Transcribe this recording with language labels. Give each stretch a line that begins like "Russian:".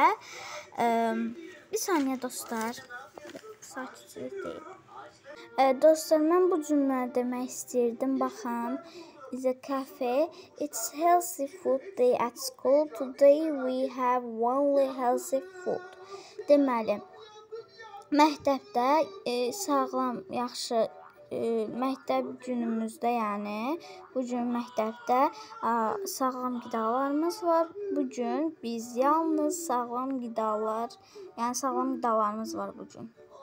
Azerbaijani: Bir saniyə dostlar, sakitcilik deyil. Dostlar, mən bu cümləni demək istəyirdim, baxın.
English: Is a cafe. It's healthy food day at school. Today we have only healthy food.
Azerbaijani: Deməli, məktəbdə sağlam, yaxşı, məktəb günümüzdə, yəni bu gün məktəbdə sağlam qidalarımız var. Bu gün biz yalnız sağlam qidalar, yəni sağlam qidalarımız var bu gün.